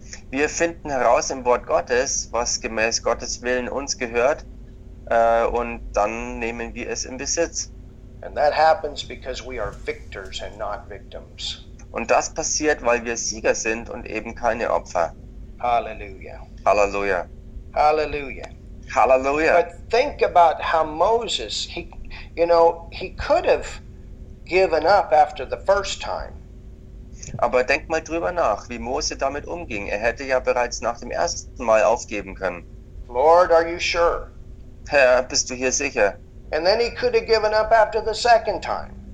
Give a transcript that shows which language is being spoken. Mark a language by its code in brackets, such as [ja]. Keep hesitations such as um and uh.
[de] wir finden heraus im Wort Gottes, was gemäß Gottes Willen uns gehört, uh, und dann nehmen wir es in Besitz. [en] And that happens because we are victors and not victims. [de] Und das passiert, weil wir Sieger sind und eben keine Opfer. Halleluja. Halleluja. Halleluja. [en] But think about how Moses, he, you know, he could have given up after the first time. [de] Aber denk mal drüber nach, wie Mose damit umging. Er hätte ja bereits nach dem ersten Mal aufgeben können. [en] Lord, are you sure? [de] Herr, bist du hier sicher? [en] And then he could have given up after the second time.